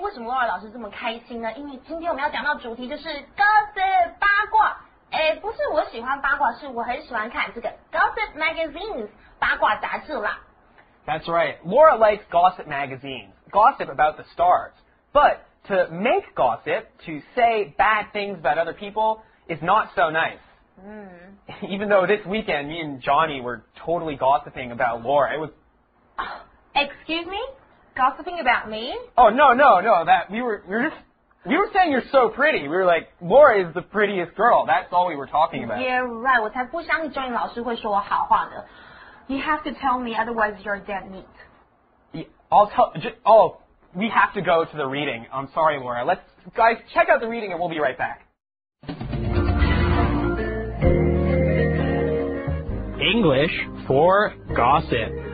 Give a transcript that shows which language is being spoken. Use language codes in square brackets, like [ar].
[zh] 为什么 Laura 老师这么开心呢？因为今天我们要讲到主题就是 gossip 八卦。不是我喜欢八卦，是我很喜欢看这个 [en] gossip magazines [zh] 八卦杂志啦。 [en] That's right. Laura likes gossip magazines. Gossip about the stars. But to make gossip, to say bad things about other people, is not so nice. Even though this weekend, me and Johnny were totally gossiping about Laura. It was... Excuse me? Gossiping about me? Oh, no. We were saying you're so pretty. We were like, Laura is the prettiest girl. That's all we were talking about. Yeah, right. [zh] 我才不相信 Johnny 老师会说我好话呢。 [en] You have to tell me, otherwise you're dead meat. We have to go to the reading. I'm sorry, Laura. Guys, check out the reading and we'll be right back. English for gossip.